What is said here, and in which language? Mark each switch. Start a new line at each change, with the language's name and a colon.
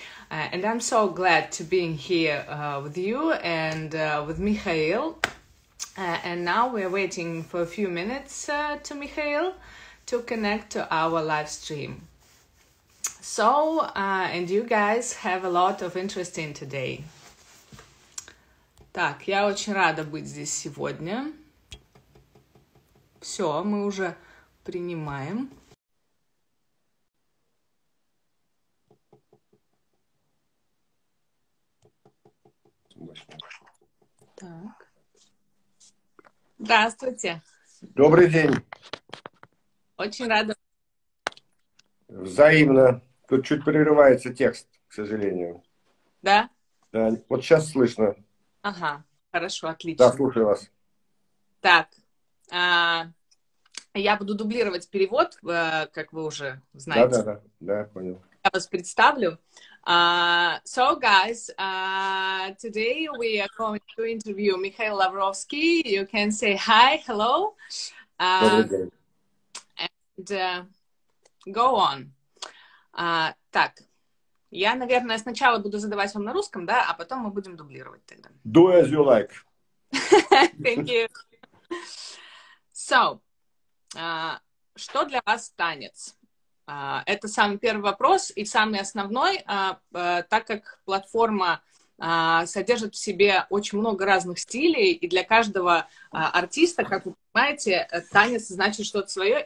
English: And I'm so glad to be here with you and with Mikhail. And now we're waiting for a few minutes to Mikhail to connect to our live stream. So, and you guys have a lot of interest in today.
Russian: Так, я очень рада быть здесь сегодня. Все, мы уже принимаем. Так. Здравствуйте. Добрый день. Очень рада. Взаимно. Тут чуть прерывается текст, к сожалению. Да? Да. Вот сейчас слышно. Ага. Хорошо, отлично. Да, слушаю вас. Так. Я буду дублировать перевод, как вы уже знаете. Да, да, да. Да, понял. Я вас представлю.
English: So, guys, today we are going to interview Mikhail Lavrovsky. You can say hi, hello, and go on.
Russian: Так, я, наверное, сначала буду задавать вам на русском, да, а потом мы будем дублировать тогда.
English: Do as you like. Thank you. So,
Russian: что для вас танец? Это самый первый вопрос и самый основной, так как платформа содержит в себе очень много разных стилей, и для каждого артиста, как вы понимаете, танец значит что-то свое.